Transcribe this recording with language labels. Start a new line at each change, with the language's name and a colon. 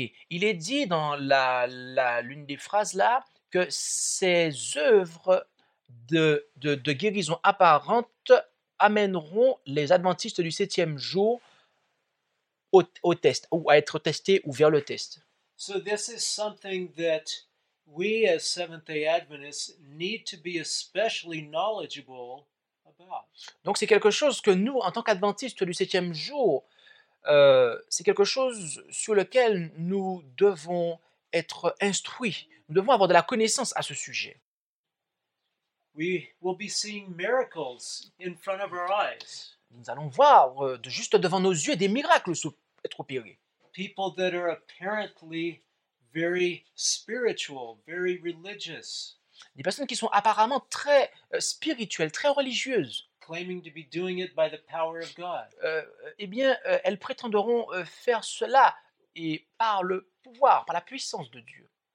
French: Il est dit dans l'une des phrases là que ces œuvres de guérison apparente amèneront les adventistes du septième jour au test, ou à être testés ou vers le test.
English: So this is something that we as Seventh-day Adventists need to be especially knowledgeable about.
French: Donc c'est quelque chose que nous, en tant qu'adventistes du septième jour, c'est quelque chose sur lequel nous devons être instruits. Nous devons avoir de la connaissance à ce sujet.
English: We will be seeing miracles in front of our eyes.
French: Nous allons voir juste devant nos yeux des miracles être opérés.
English: People that are apparently very spiritual, very religious.
French: Des personnes qui sont apparemment très spirituelles, très religieuses.
English: Claiming to be doing it by the power of God.
French: Elles prétenderont faire cela et par le pouvoir, par la puissance de Dieu.